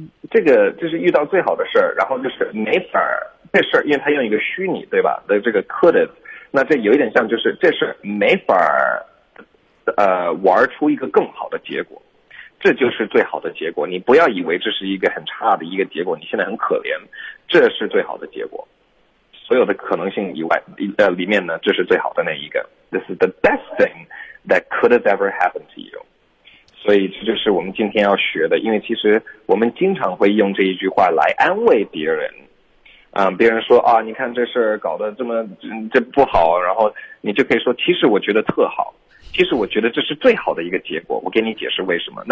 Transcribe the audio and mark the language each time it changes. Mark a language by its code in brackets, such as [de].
[zh] 这个就是遇到最好的事儿，然后就是没法儿这事儿，因为他用一个虚拟对吧的这个 could have， 那这有一点像就是这事没法儿玩出一个更好的结果。这就是最好的结果，你不要以为这是一个很差的一个结果，你现在很可怜，这是最好的结果，所有的可能性以外里面呢，这是最好的那一个。 [en] This is the best thing that could have ever happened to you。 [zh] 所以这就是我们今天要学的，因为其实我们经常会用这一句话来安慰别人，别人说啊，你看这事搞得这么这不好，然后你就可以说，其实我觉得特好，其实我觉得这是最好的一个结果，我给你解释为什么。